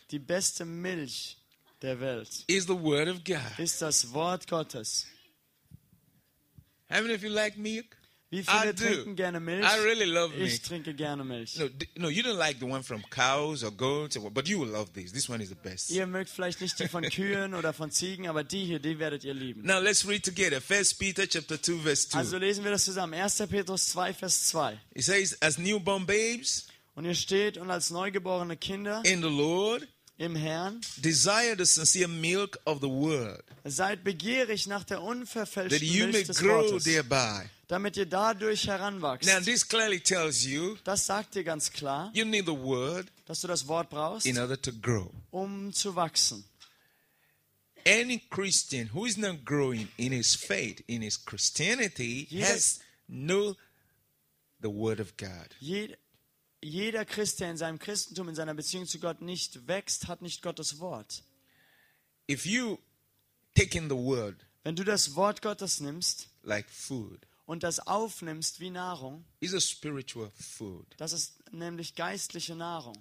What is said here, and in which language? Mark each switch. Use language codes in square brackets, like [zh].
[de] Die beste Milch der Welt. [en] Is the word of God. [de] Ist das Wort Gottes. [en] How many of you like milk? [de] Wie viele [en] I do. [de] Trinken gerne Milch? [en] I really love [de] ich trinke gerne Milch. [en] No, you don't like the one from cows or goats, or what, but you will love this. This one is the best. [de] Ihr mögt vielleicht nicht die von Kühen oder von Ziegen, aber die hier, die werdet ihr lieben. [en] Now let's read together. 1 Peter chapter 2 verse 2. [de] Also lesen wir das zusammen. 1. Petrus 2 Vers 2. [en] It says, as newborn babes. [de] Und ihr steht und als neugeborene Kinder. [en] In the Lord. [de] Im Herrn. [en] Desire the sincere milk of the word. [de] Seid begierig nach der unverfälschten Milch des Wortes. [en] That you may grow thereby. [de] Damit ihr dadurch heranwachst. [en] Now this clearly tells you, [de] das sagt dir ganz klar, [en] you need the word, [de] dass du das Wort brauchst, [en] in order to grow. [de] Um zu wachsen. [en] Any Christian who is not growing in his faith, in his Christianity, has no the word of God. [de] Jeder Christ, der in seinem Christentum, in seiner Beziehung zu Gott nicht wächst, hat nicht Gottes Wort. [en] If you take in the word, [de] wenn du das Wort Gottes nimmst, [en] like food, [de] und das aufnimmst wie Nahrung, [en] is a spiritual food. [de] Das ist nämlich geistliche Nahrung